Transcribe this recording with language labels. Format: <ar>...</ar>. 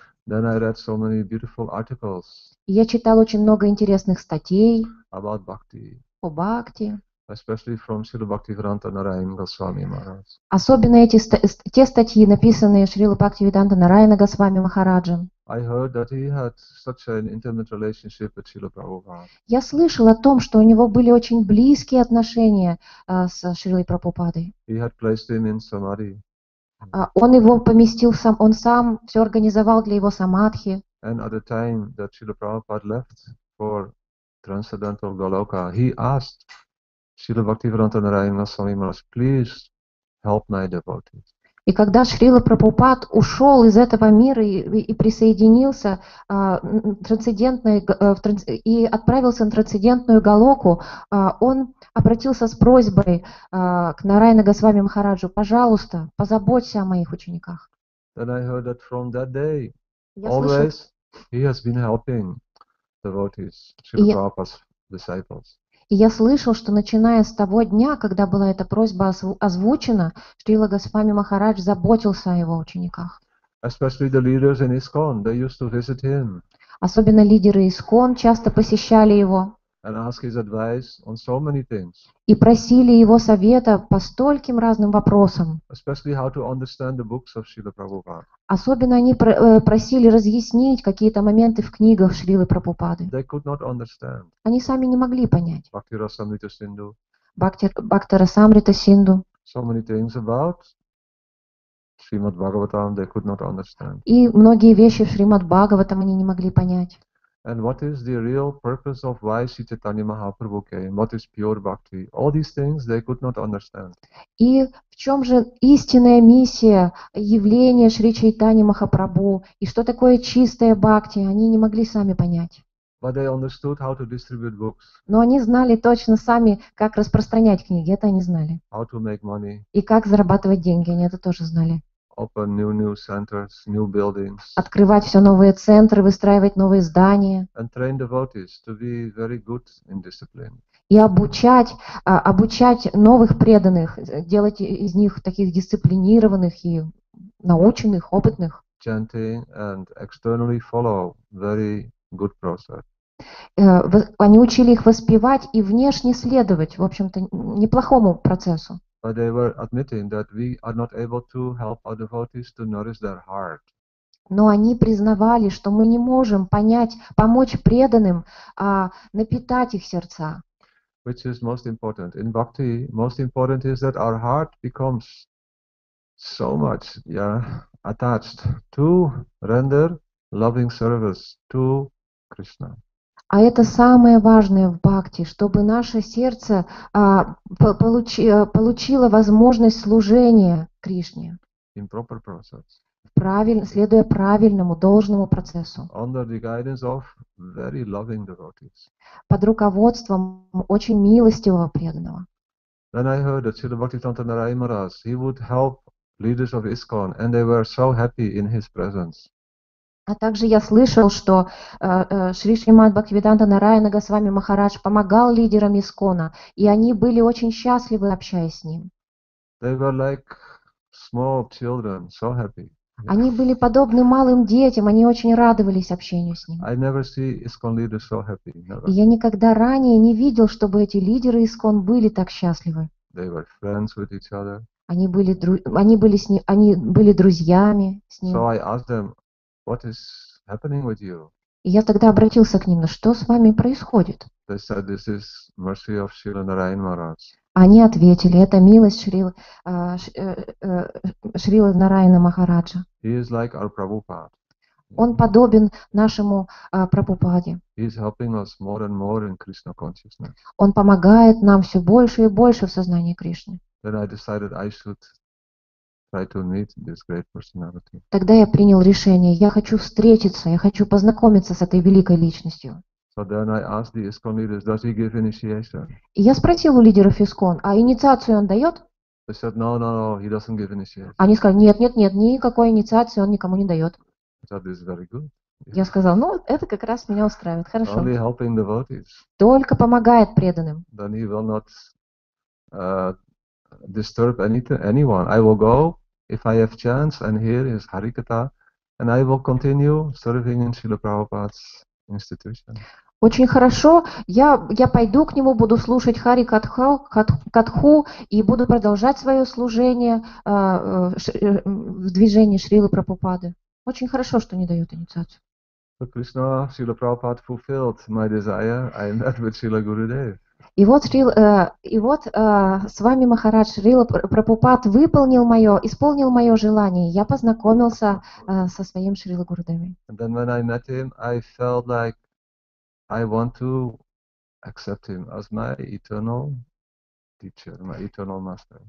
<en>Then I read so many beautiful articles.</en> <ru>И я читал очень много интересных статей</ru> <en>about bhakti.</en> <ru>О бхакти.</ru> <en>Especially from Srila Bhaktivedanta Narayana Goswami Maharaj.</en> <ru>Особенно эти те статьи, написанные Шрила Бхактивиданта Нараяна Госвами Махараджем.</ru> <en>I heard that he had such an intimate relationship with Srila Prabhupada.</en> <ru>Я слышал о том, что у него были очень близкие отношения с Шрилой Прабхупадой.</ru> <en>He had placed him in samadhi.</en> <ru>Он его поместил сам, он сам все организовал для его самадхи.</ru> <en>And at the time that Srila Prabhupada left for transcendental Goloka, he asked Srila Bhaktivedanta Narayana Goswami Maharaj, please help my devotees.</en> <ru>И когда Шрила Прабхупад ушел из этого мира и присоединился и отправился на трансцендентную Голоку, он обратился с просьбой к Нараяна Госвами Махараджу: пожалуйста, позаботься о моих учениках.</ru> <en>Then I heard that from that day, always he has been helping devotees, Srila Prabhupada's disciples.</en> <ru>И я слышал, что начиная с того дня, когда была эта просьба озвучена, Шрила Госвами Махарадж заботился о его учениках.</ru> <en>Especially the leaders in ISKCON, they used to visit him.</en> <ru>Особенно лидеры ISKCON часто посещали его.</ru> <en>And ask his advice on so many things.</en> <ru>И просили его совета по стольким разным вопросам.</ru> <en>Especially how to understand the books of Srila Prabhupada.</en> <ru>Особенно они просили разъяснить какие-то моменты в книгах Шрилы Прабхупады.</ru> <en>They could not understand.</en> <ru>Они сами не могли понять.</ru> <en>Bhakti Rasamrita Sindhu. Bhakti Rasamrita Sindhu. So many things about Srimad Bhagavatam they could not understand.</en> <ru>И многие вещи в Шримад Бхагаватам они не могли понять.</ru> <en>And what is the real purpose of why Sri Chaitanya Mahaprabhu came? What is pure bhakti? All these things they could not understand.</en> <ru>И в чем же истинная миссия явления Шри Чайтани Махапрабху? И что такое чистая бхакти? Они не могли сами понять.</ru> <en>But they understood how to distribute books.</en> <ru>Но они знали точно сами, как распространять книги. Это они знали.</ru> <en>How to make money.</en> <ru>И как зарабатывать деньги. Они это тоже знали.</ru> <en>Open new centers, new buildings.</en> <ru>Открывать все новые центры, выстраивать новые здания.</ru> <en>And train devotees to be very good in discipline.</en> <ru>И обучать новых преданных, делать из них таких дисциплинированных и наученных, опытных.</ru> <en>Chanting and externally follow very good process.</en> <ru>Они учили их воспевать и внешне следовать, в общем-то, неплохому процессу.</ru> <en>But they were admitting that we are not able to help our devotees to nourish their heart.</en> <ru>Но они признавали, что мы не можем помочь преданным, а напитать их сердца.</ru> <en>Which is most important in bhakti? Most important is that our heart becomes so much, attached to render loving service to Krishna.</en> <ru>А это самое важное в бхакти, чтобы наше сердце получило возможность служения Кришне.</ru> <en>In proper process.</en> <ru>Следуя правильному, должному процессу.</ru> <en>Under the guidance of very loving devotees.</en> <ru>Под руководством очень милостивого преданного.</ru> <en>Then I heard that Srila Bhaktivedanta Narayana Maharaj, he would help leaders of ISKCON, and they were so happy in his presence.</en> <ru>А также я слышал, что Шри Шримад Бхактивиданта Нараяна Госвами Махарадж помогал лидерам ИСККОНа, и они были очень счастливы, общаясь с ним.</ru> <en>They were like small children, so happy.</en> <ru>Они были подобны малым детям, они очень радовались общению с ним.</ru> <en>I never see ISKCON leaders so happy, never.</en> <ru>И я никогда ранее не видел, чтобы эти лидеры ИСККОН были так счастливы.</ru> <en>They were friends with each other.</en> <ru>Они были друзьями с ним.</ru> <en>So I asked them, what is happening with you?</en> <ru>И я тогда обратился к ним, ну что с вами происходит?</ru> <en>They said, this is mercy of Srila Narayana Maharaj.</en> <ru>Они ответили, это милость Шрилы Нараяна Махараджа.</ru> <en>He is like our Prabhupada.</en> <ru>Он подобен нашему Прабхупаде.</ru> <en>He is helping us more and more in Krishna consciousness.</en> <ru>Он помогает нам все больше и больше в сознании Кришны.</ru> <en>Then I decided I should try to meet this great personality.</en> <ru>Тогда я принял решение, я хочу встретиться, я хочу познакомиться с этой великой личностью.</ru> <en>So then I asked the ISKCON leaders, does he give initiation?</en> <ru>И я спросил у лидеров ИСККОН, а инициацию он дает?</ru> <en>They said, no, no, no, he doesn't give initiation.</en> <ru>Они сказали, нет, нет, нет, никакой инициации он никому не дает.</ru> <en>That is very good.</en> <ru>Я сказал, ну, это как раз меня устраивает, хорошо.</ru> <en>Only helping devotees.</en> <ru>Только помогает преданным.</ru> <en>Then he will not disturb anyone. I will go if I have chance and hear his Harikata, and I will continue serving in Srila Prabhupada's institution.</en> <ru>Очень хорошо. Я пойду к нему, буду слушать Хари Катху и буду продолжать свое служение в движении Шрилы Прабхупады. Очень хорошо, что не дает инициацию.</ru> <en>So Krishna, Srila Prabhupada fulfilled my desire. I met with Srila Gurudev.</en> <ru>И вот, с вами Махарадж Шрила Прабхупад исполнил мое желание. Я познакомился со своим Шрила Гурудевой.</ru> <en>And then when I met him, I felt like I want to accept him as my eternal teacher, my eternal master.</en>